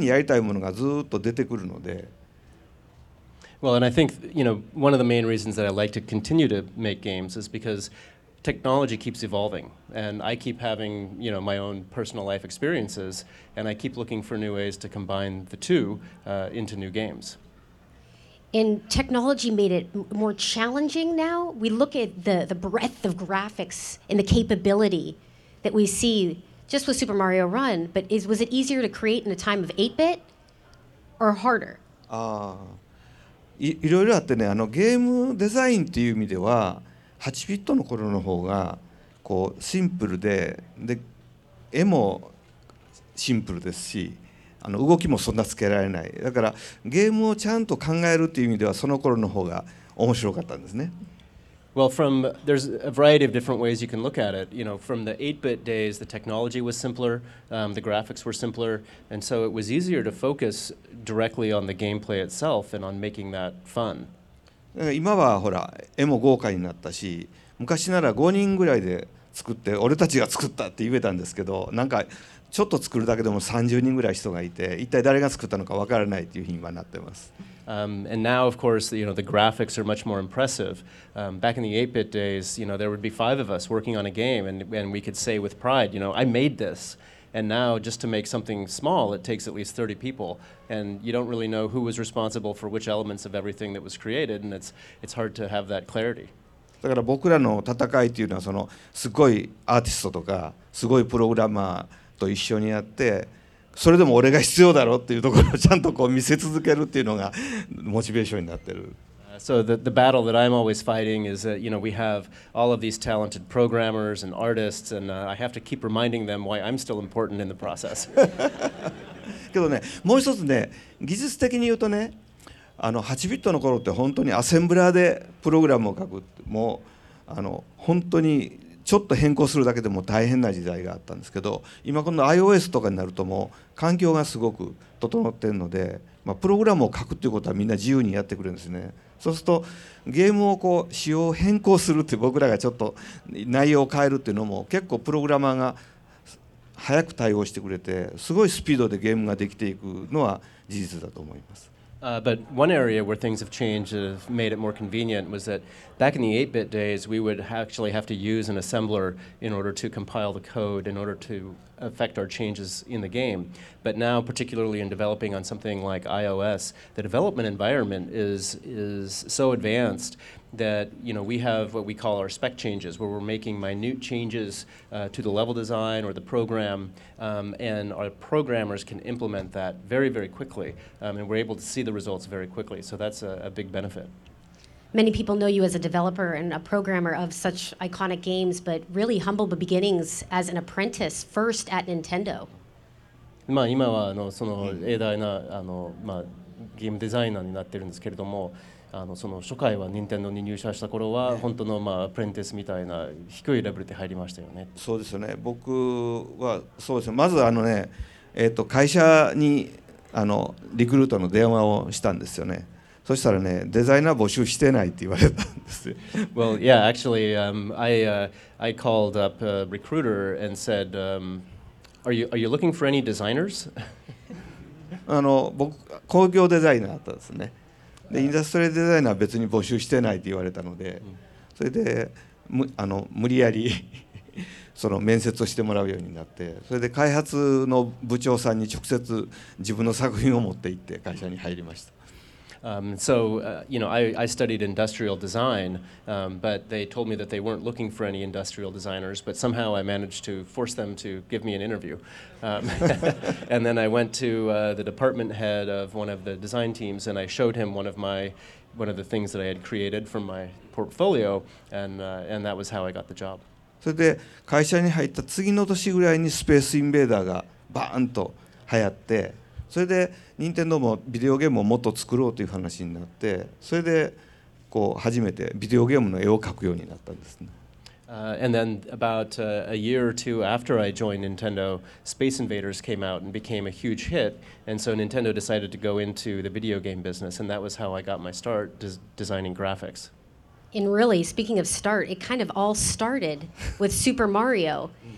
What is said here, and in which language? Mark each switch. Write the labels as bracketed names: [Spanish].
[Japanese] あのね、やっぱり技術がほら、ゲームって技術がどんどんどんどん新しい技術が入ってくるし、で、自分自身もどんどん新しい経験していくでしょう。そうすると、次にやりたいものがずっと出てくるので。 [English] Well, and I think, you know, one of the main reasons that I like to continue to make games is because technology keeps evolving, and I keep having, you know, my own personal life experiences, and I keep looking for new ways to combine the two into new games. And technology made it more challenging now. We look at the breadth of graphics and the capability that we see just with Super Mario Run, but was it easier to create in a time of 8-bit or harder? [Japanese] いろいろあってね、あのゲームデザインっていう意味では8ビットの頃の方がこうシンプル で絵もシンプルですし、あの動きもそんなつけられない、だからゲームをちゃんと考えるっていう意味ではその頃の方が面白かったんですね。 [English] Well, from there's a variety of different ways you can look at it. You know, from the 8-bit days, the technology was simpler, the graphics were simpler, and so it was easier to focus directly on the gameplay itself and on making that fun. [Japanese] 今はほら絵も豪華になったし、昔なら5人ぐらいで作って俺たちが作ったって言えたんですけど、なんかちょっと作るだけでも30人ぐらい人がいて、一体誰が作ったのか分からないという日にはなってます。 [English] And now, of course, you know, the graphics are much more impressive. Back in the 8-bit days, you know, there would be 5 of us working on a game, and we could say with pride, you know, I made this. And now, just to make something small, it takes at least 30 people. And you don't really know who was responsible for which elements of everything that was created, and it's hard to have that clarity. [Japanese] だから僕らの戦いっていうのは、そのすごいアーティストとか、すごいプログラマーと一緒にやって、それでも俺が必要だろうっていうところをちゃんとこう見せ続けるっていうのがモチベーションになってる。 [English] So the battle that I'm always fighting is that, you know, we have all of these talented programmers and artists, and I have to keep reminding them why I'm still important in the process. [Japanese] けどね、もう一つね、技術的に言うとね、あの8ビットの頃って本当にアセンブラーでプログラムを書く、もうあの本当にちょっと変更するだけでも大変な時代があったんですけど、今この iOS とかになるともう環境がすごく整っているので、まあ、プログラムを書くっていうことはみんな自由にやってくれるんですね。そうするとゲームをこう仕様を変更するって、僕らがちょっと内容を変えるっていうのも結構プログラマーが早く対応してくれて、すごいスピードでゲームができていくのは事実だと思います。 [English] But one area where things have changed and have made it more convenient was that back in the 8-bit days, we would actually have to use an assembler in order to compile the code, in order to affect our changes in the game. But now, particularly in developing on something like iOS, the development environment is so advanced that, you know, we have what we call our spec changes, where we're making minute changes to the level design or the program, and our programmers can implement that very, very quickly, and we're able to see the results very quickly. So that's a big benefit. Many people know you as a developer and a programmer of such iconic games, but really humble beginnings as an apprentice first at Nintendo. [Japanese] まあ今はあのその偉大なあのまあゲームデザイナーになってるんですけれども、あのその初回は任天堂に入社した頃は本当のまあアプレンティスみたいな低いレベルで入りましたよね。そうですよね。僕はそうですね。まずあのね、会社にあのリクルートの電話をしたんですよね。そしたらね、デザイナー募集してないって言われたんです。 [English] Well, yeah, actually, I called up a recruiter and said, are you looking for any designers? [Japanese] あの僕工業デザイナーだったんですね。でインダストリアデザイナーは別に募集してないって言われたので、それで無理やりその面接をしてもらうようになって、それで開発の部長さんに直接自分の作品を持って行って会社に入りました。 [English] So, I studied industrial design, but they told me that they weren't looking for any industrial designers, but somehow I managed to force them to give me an interview. and then I went to the department head of one of the design teams, and I showed him one of the things that I had created from my portfolio, and that was how I got the job. [Japanese] それで会社に入った次の年ぐらいにスペースインベーダーがバーンと流行って、それで任天堂もビデオゲームをもっと作ろうという話になって、それでこう初めてビデオゲームの絵を描くようになったんですね。 [English] And then about a year or two after I joined Nintendo, Space Invaders came out and became a huge hit, and so Nintendo decided to go into the video game business, and that was how I got my start designing graphics. And really, speaking of start, it kind of all started with Super Mario.